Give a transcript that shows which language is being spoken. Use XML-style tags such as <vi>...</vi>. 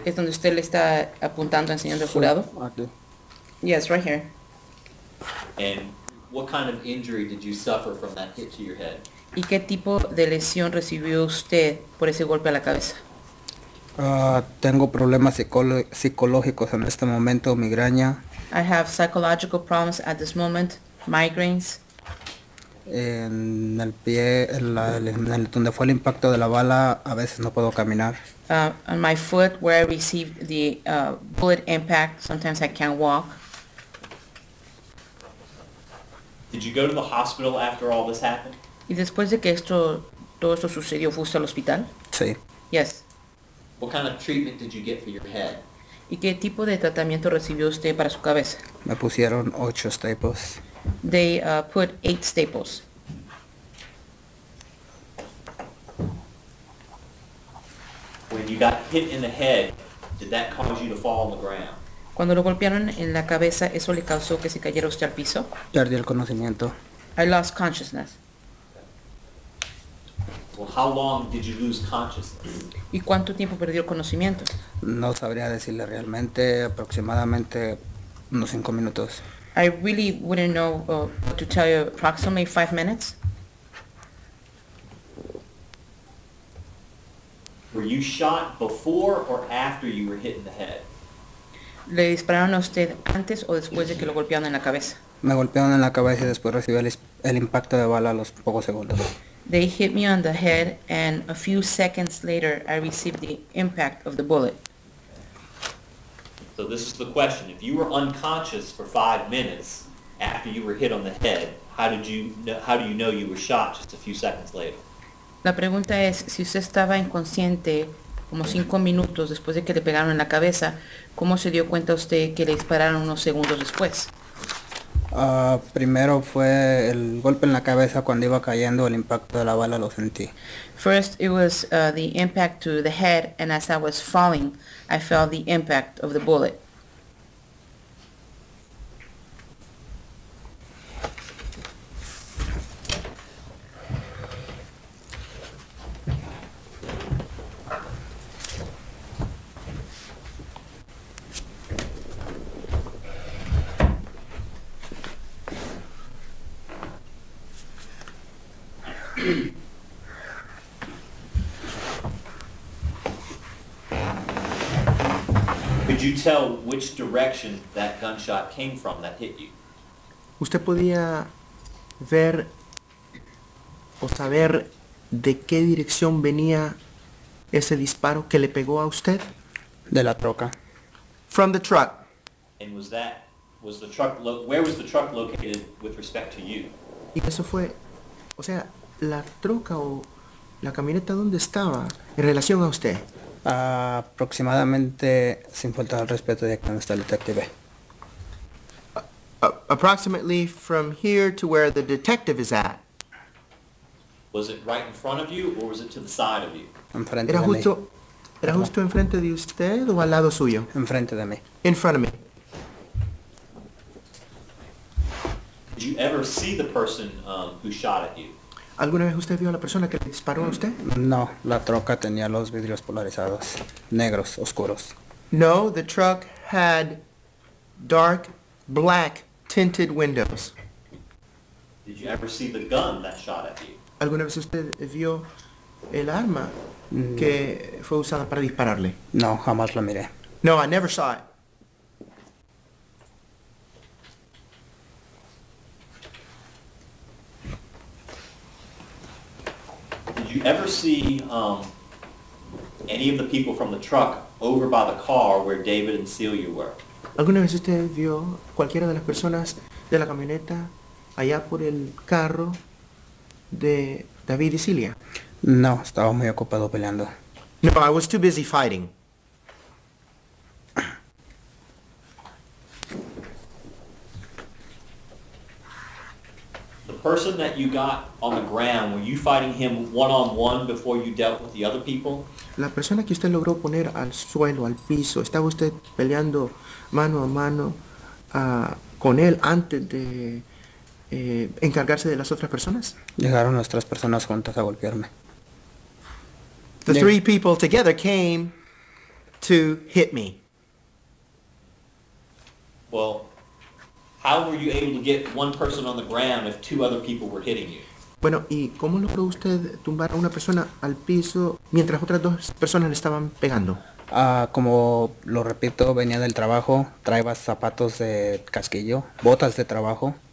<es>Es donde usted le está apuntando, enseñando al jurado. Aquí.</es> <en>Yes, right here. And what kind of injury did you suffer from that hit to your head?</en> <es>¿Y qué tipo de lesión recibió usted por ese golpe a la cabeza? Tengo problemas psicológicos en este momento, migraña.</es> <en>I have psychological problems at this moment, migraines.</en> <es>En el pie, en donde fue el impacto de la bala, a veces no puedo caminar.</es> <en>On my foot, where I received the bullet impact, sometimes I can't walk. Did you go to the hospital after all this happened?</en> <es>¿Y después de que esto, todo esto sucedió, fuiste al hospital? Sí.</es> <en>Yes. What kind of treatment did you get for your head?</en> <es>¿Y qué tipo de tratamiento recibió usted para su cabeza? Me pusieron 8 staples.</es> <en>They put 8 staples. When you got hit in the head, did that cause you to fall on the ground?</en> <es>Cuando lo golpearon en la cabeza, ¿eso le causó que se cayera usted al piso? Perdí el conocimiento.</es> <en>I lost consciousness. Well, how long did you lose consciousness?</en> <es>¿Y cuánto tiempo perdió el conocimiento? No sabría decirle realmente, aproximadamente unos 5 minutos.</es> <en>I really wouldn't know what to tell you, approximately 5 minutes. Were you shot before or after you were hit in the head?</en> <es>¿Le dispararon a usted antes o después de que lo golpearon en la cabeza? Me golpearon en la cabeza y después recibí el impacto de bala a los pocos segundos.</es> <en>They hit me on the head, and a few seconds later, I received the impact of the bullet. So this is the question. If you were unconscious for 5 minutes after you were hit on the head, how do you know you were shot just a few seconds later?</en> <es>La pregunta es, si usted estaba inconsciente como 5 minutos después de que le pegaron en la cabeza, ¿cómo se dio cuenta usted que le dispararon unos segundos después? Primero fue el golpe en la cabeza cuando iba cayendo, el impacto de la bala lo sentí.</es> <en>First it was the impact to the head, and as I was falling, I felt the impact of the bullet. Could you tell which direction that gunshot came from that hit you?</en> <es>¿Usted podía ver o saber de qué dirección venía ese disparo que le pegó a usted? De la troca.</es> <en>From the truck. And where was the truck located with respect to you?</en> <es>Y eso fue, o sea, la troca o la camioneta, ¿dónde estaba en relación a usted? Aproximadamente, sin falta de respeto, de aquí donde está el detective.</es> <en>Approximately from here to where the detective is at. Was it right in front of you or was it to the side of you? Enfrente era de justo, mí.</en> <es>¿Era justo enfrente de usted o al lado suyo? Enfrente de mí.</es> <en>In front of me. Did you ever see the person who shot at you?</en> <es>¿Alguna vez usted vio a la persona que le disparó a usted? No, la troca tenía los vidrios polarizados, negros, oscuros.</es> <en>No, the truck had dark, black, tinted windows. Did you ever see the gun that shot at you?</en> <es>¿Alguna vez usted vio el arma que fue usada para dispararle? No, jamás la miré.</es> <en>No, I never saw it. Did you ever see any of the people from the truck over by the car where David and Celia were?</en> <es>¿Alguna vez usted vio cualquiera de las personas de la camioneta allá por el carro de David y Celia. No, estaba muy ocupado peleando.</es> <en>No, I was too busy fighting. The person that you got on the ground, were you fighting him one-on-one before you dealt with the other people?</en> <es>La persona que usted logró poner al suelo, al piso, ¿estaba usted peleando mano a mano con él antes de encargarse de las otras personas? Llegaron las tres personas juntas a golpearme.</es> <en>The three people together came to hit me. Well, how were you able to get one person on the ground if two other people were hitting you?</en> <es>Bueno, ¿y cómo logró usted tumbar a una persona al piso mientras otras dos personas le estaban pegando? Como lo repito, venía del trabajo, traía zapatos de casquillo, botas de trabajo.</es>